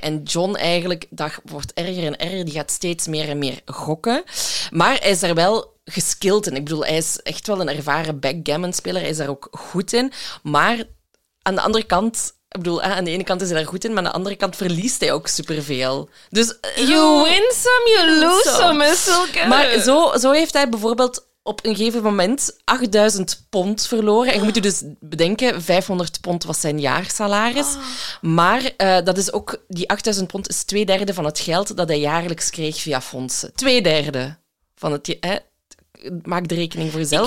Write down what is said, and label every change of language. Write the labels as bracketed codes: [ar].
[nl] En John eigenlijk, dat wordt erger en erger. Die gaat steeds meer en meer gokken. Maar hij is daar wel geskild in. Ik bedoel, hij is echt wel een ervaren backgammon-speler. Hij is daar ook goed in. Maar aan de andere kant... Ik bedoel, aan de ene kant is hij daar goed in, maar aan de andere kant verliest hij ook superveel. Dus... [en] You win some, you lose some. [nl] Maar zo heeft hij bijvoorbeeld... op een gegeven moment £8,000 verloren. En je moet je dus bedenken, £500 was zijn jaarsalaris. Oh. Maar dat is ook, die £8,000 is 2/3 van het geld dat hij jaarlijks kreeg via fondsen. 2/3 van het... maak de rekening voor jezelf.